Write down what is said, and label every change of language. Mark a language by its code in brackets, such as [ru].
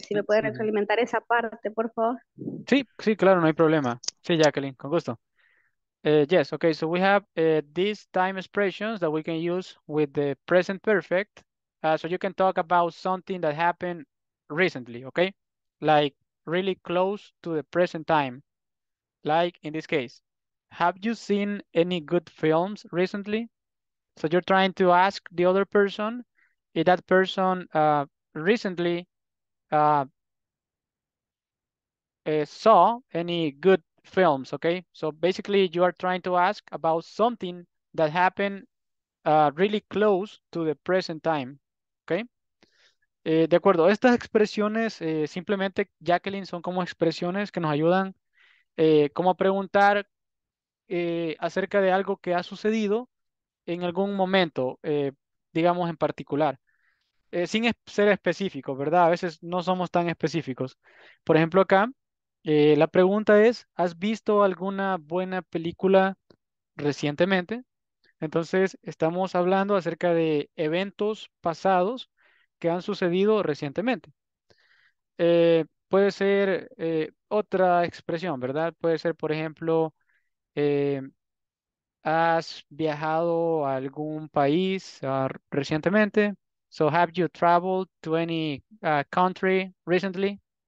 [es] Si me puede retroalimentar esa parte, por favor. Sí, claro, no hay problema. Sí, Jacqueline, con gusto. [en] Yes, okay, so we have these time expressions that we can use with the present perfect. So you can talk about something that happened recently, okay? Like really close to the present time. Like in this case, have you seen any good films recently? So you're trying to ask the other person if that person recently saw any good films, okay? So basically you are trying to ask about something that happened really close to the present time, okay? [es] De acuerdo, estas expresiones simplemente, Jacqueline, son como expresiones que nos ayudan como a preguntar acerca de algo que ha sucedido en algún momento, digamos en particular, sin ser específico, ¿verdad? A veces no somos tan específicos. Por ejemplo, acá, la pregunta es, ¿has visto alguna buena película recientemente? Entonces, estamos hablando acerca de eventos pasados que han sucedido recientemente. Puede ser otra expresión, ¿verdad? Puede ser, por ejemplo, ¿has viajado a algún país recientemente? [en] So, have you traveled to any country recently?